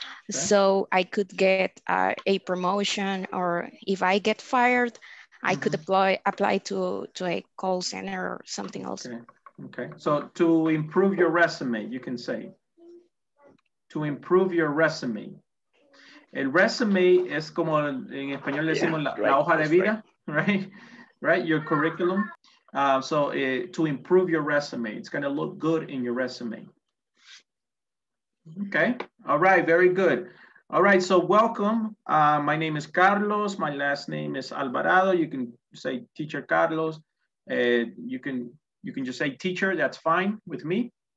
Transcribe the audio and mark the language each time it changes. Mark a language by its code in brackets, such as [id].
[en] Okay. So I could get a promotion, or if I get fired, I could apply to a call center or something else. Okay. Okay, so to improve your resume, you can say, to improve your resume. [es] El resume es como en español decimos la hoja de vida, right? [en] Your curriculum. To improve your resume, it's going to look good in your resume. Okay. All right. Very good. All right. So welcome. My name is Carlos. My last name is Alvarado. You can say teacher Carlos. You can just say teacher. That's fine with me.